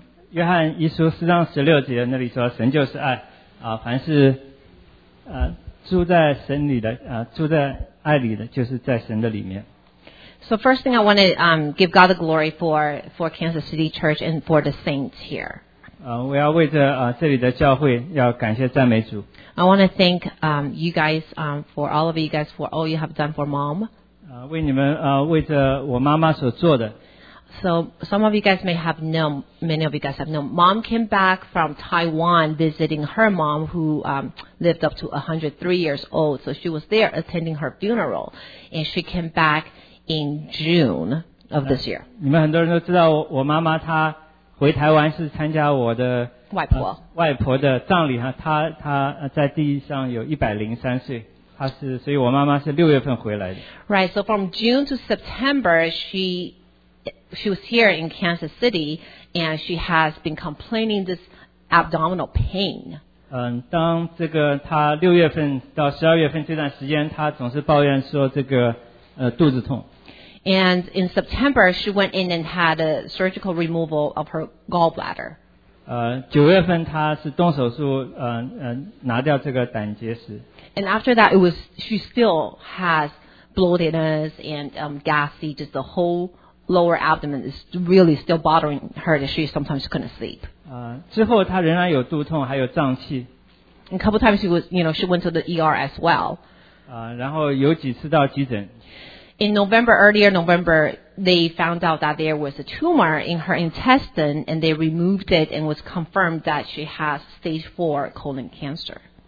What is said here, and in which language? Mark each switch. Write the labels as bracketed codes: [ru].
[zh] 约翰一书四章十六节那里说，神就是爱，凡是住在神里的，住在爱里的，就是在神的里面。 [en] So first thing I want to give God the glory for Kansas City Church and for the saints here. [zh] 我要为着这里的教会要感谢赞美主。 [en] I want to thank you guys for all of you guys for all you have done for mom. [zh] 为你们为着我妈妈所做的。 [en] So some of you guys may have known, many of you guys have known, mom came back from Taiwan visiting her mom who lived up to 103 years old. So she was there attending her funeral and she came backIn June of this year. [zh] 你们很多人都知道 我妈妈她回台湾是参加我的外婆外婆的葬礼哈。她在地上有103岁，她是所以我妈妈是6月份回来的。 [en] Right, so from June to September, she she was here in Kansas City, and she has been complaining this abdominal pain. [zh] 当她 6月份 到 12月份 这段时间，她总是抱怨说这个肚子痛。 [en] And in September, she went in and had a surgical removal of her gallbladder. [zh] 9月份她是动手术，拿掉这个胆结石。 [en] And after that, she still has bloatedness and gassy. Just the whole lower abdomen is really still bothering her. That she sometimes couldn't sleep. [zh] 之后她仍然有肚痛，还有胀气。 [en] A couple times she went to the ER as well. [zh] 然后有几次到急诊。 [en] In November, earlier November, they found out that there was a tumor in her intestine, and they removed it and was confirmed that she has stage 4 colon cancer.